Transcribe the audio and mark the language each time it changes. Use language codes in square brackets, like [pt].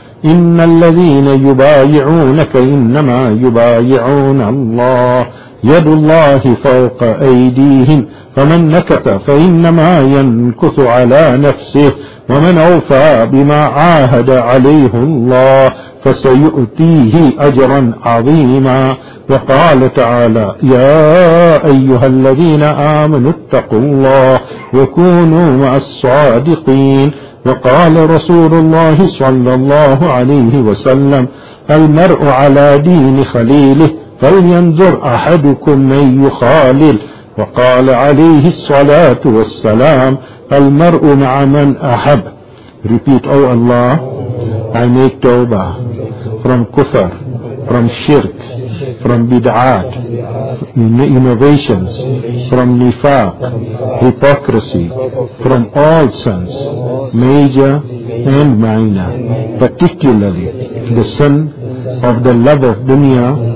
[ar] إن الذين يبايعونك إنما يبايعون الله يد الله فوق أيديهم فمن نكث فإنما ينكث على نفسه ومن أوفى بما عاهد عليه الله فسيؤتيه أجرا عظيما وقال تعالى: يا أيها الذين آمنوا اتقوا الله وكونوا مع الصادقين. وقال رسول الله صلى الله عليه وسلم: المرء على دين خليله فلينظر أحدكم من يخالل. وقال عليه الصلاة والسلام: المرء مع من أحب. [en] Repeat, O Allah, I make tawbah from kufr, from shirk, from bid'at, innovations, from nifaq, hypocrisy, from all sins, major and minor, particularly the sin of the love of dunya